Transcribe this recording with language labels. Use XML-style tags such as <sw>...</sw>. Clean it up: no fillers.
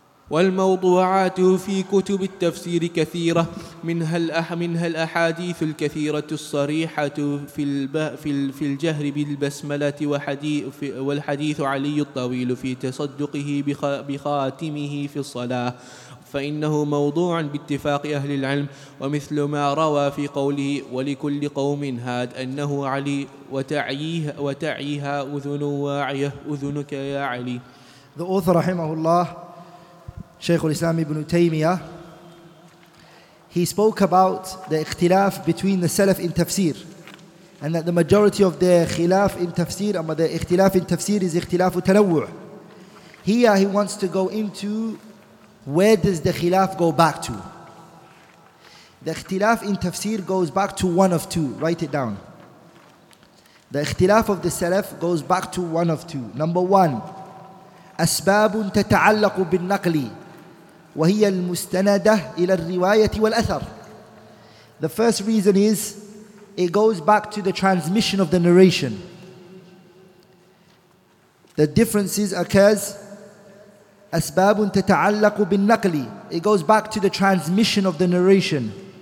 <ar>والموضوعات في كتب التفسير كثيرة منها الأحاديث الكثيرة الصريحة في الجهر بالبسملة والحديث علي الطويل في تصدقه بخاتمه في الصلاة فإنه موضوع باتفاق أهل العلم ومثل ما روى في قوله ولكل قوم هاد أنه علي وتعيها أذن واعية أذنك يا علي</ar> <en>The author رحمه الله Shaykh al-Islam ibn Taymiyyah, he spoke about the ikhtilaf between the Salaf in tafsir, and that the majority of their khilaf in tafsir, and the ikhtilaf in tafsir is ikhtilaf utanawwu'. Here he wants to go into where does the khilaf go back to. The ikhtilaf in tafsir goes back to one of two, write it down. The ikhtilaf of the Salaf goes back to one of two. Number one, asbabun tata'allaku bin naqli.</en> <ar>وهي المستندة إلى الرواية والأثر.</ar> <en>The first reason is it goes back to the transmission of the narration. The differences occurs</en> <ar>أسباب تتعلق بالنقل.</ar> <en>It goes back to the transmission of the narration.</en>